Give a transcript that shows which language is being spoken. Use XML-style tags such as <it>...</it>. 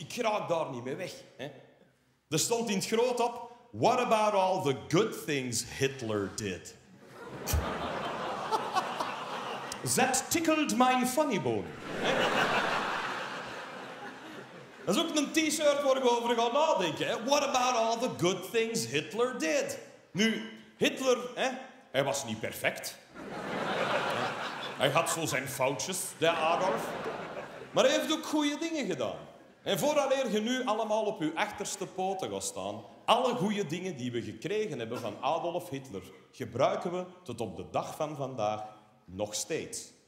<nl>Ik raak daar niet mee weg. Hè? Er stond in het groot op,</nl> <en>what about all the good things Hitler did? That tickled my funny bone.</en> <nl>Dat is ook een t-shirt waar ik over ga nadenken. Hè?</nl> <en>What about all the good things Hitler did?</en> <nl>Nu, Hitler, hè? Hij was niet perfect. Hij had zo zijn foutjes, de Adolf. Maar hij heeft ook goede dingen gedaan. En vooraleer je nu allemaal op je achterste poten gaat staan, alle goede dingen die we gekregen hebben van Adolf Hitler, gebruiken we tot op de dag van vandaag nog steeds.</nl>